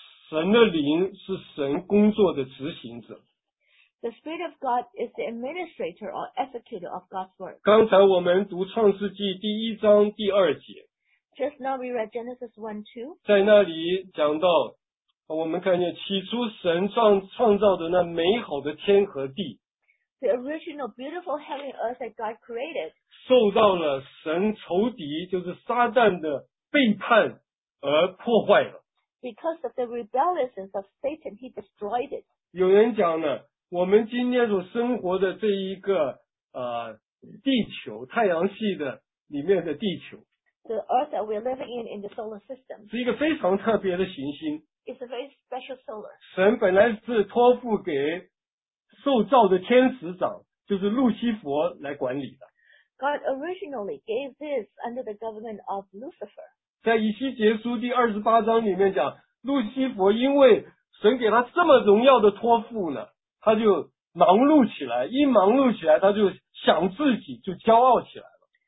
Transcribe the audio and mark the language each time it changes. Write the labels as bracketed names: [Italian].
[Chinese] 神的灵是神工作的执行者。 [English] The Spirit of God is the administrator or executor of God's work. [Chinese] 刚才我们读创世纪第一章第二节。 [English] Just now we read Genesis 1-2. [Chinese] 在那里讲到我们看见起初神创造的那美好的天和地。 [English] The original beautiful heaven and earth that God created. [Chinese] 受到了神仇敌就是撒旦的背叛而破坏了。 [English] Because of the rebelliousness of Satan, he destroyed it. [Chinese] 有人讲呢我们今天所生活的这一个地球太阳系的里面的地球 [English] The earth that we're living in the solar system [Chinese] 是一个非常特别的行星 [English] It's a very special solar [Chinese] 神本来是托付给受造的天使长就是路西佛来管理的 [English] God originally gave this under the government of Lucifer [Chinese] 在以西结书第28章里面讲路西佛因为神给他这么荣耀的托付呢他就忙碌起来一忙碌起来他就想自己就骄傲起来了。